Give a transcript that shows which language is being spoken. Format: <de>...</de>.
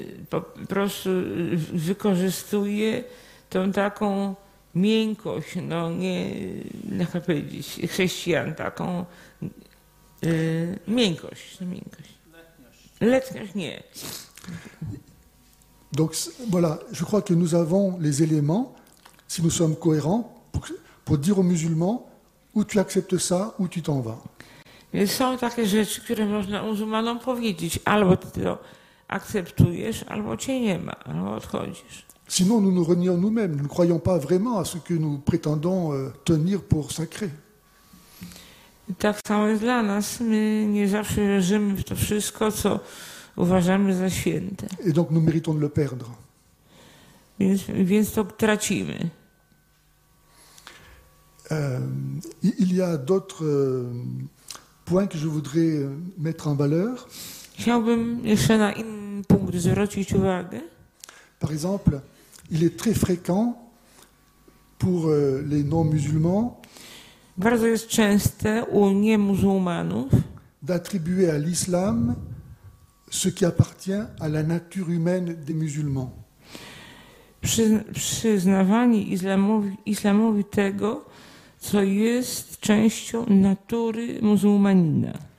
<pl>po prostu wykorzystuje tą taką miękkość, no nie, jak powiedzieć, chrześcijan, taką miękkość. Letniość nie.</pl> <fr>Donc voilà, je crois que nous avons les éléments, si nous sommes cohérents, pour dire aux musulmans, où tu acceptes ça, où tu t'en vas.</fr> <pl>Więc są takie rzeczy, które można muzułmanom powiedzieć, albo ty to akceptujesz, albo cię nie ma, albo odchodzisz.</pl> <fr>Sinon, nous nous renions nous-mêmes. Nous ne croyons pas vraiment à ce que nous prétendons tenir pour sacré.</fr> <pl>Tak samo jest dla nas. My nie zawsze wierzymy w to wszystko, co uważamy za święte.</pl> <fr>Et donc, nous méritons de le perdre.</fr> <pl>Więc to tracimy.</pl> <fr>Il y a d'autres points que je voudrais mettre en valeur.</fr> <pl>Chciałbym jeszcze na inny punkt zwrócić uwagę.</pl> <fr>Par exemple, il est très fréquent pour les non-musulmans,</fr> <pl>bardzo jest częste u niemuzułmanów,</pl> <fr>d'attribuer à l'islam ce qui appartient à la nature humaine des musulmans.</fr> <pl>Przyznawanie islamowi tego, co jest częścią natury muzułmanina.</pl>